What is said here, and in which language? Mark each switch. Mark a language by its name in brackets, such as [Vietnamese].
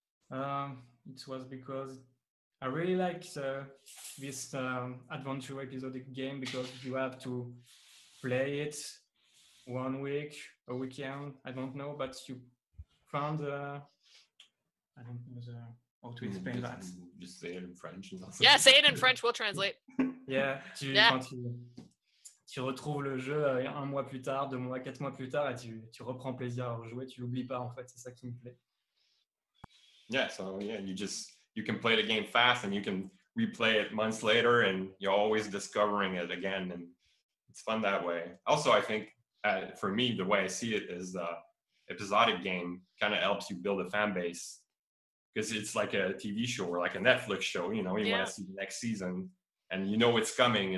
[English] It was because I really like this adventure episodic game because you have to play it 1 week, a weekend, I don't know, but you found how to explain that. Just say it in French. Yeah, say it in French, we'll translate. [French] Yeah, tu retrouves le jeu un mois plus tard, deux mois, quatre mois plus tard, et tu reprends plaisir à jouer, tu l'oublies pas en fait, c'est ça qui me plaît. [English] Yeah, so yeah, you can play the game fast and you can replay it months later and you're always discovering it again and it's fun that way. Also, I think for me, the way I see it is the episodic game kind of helps you build a fan base because it's like a TV show or like a Netflix show, you know, you want to see the next season and you know it's coming.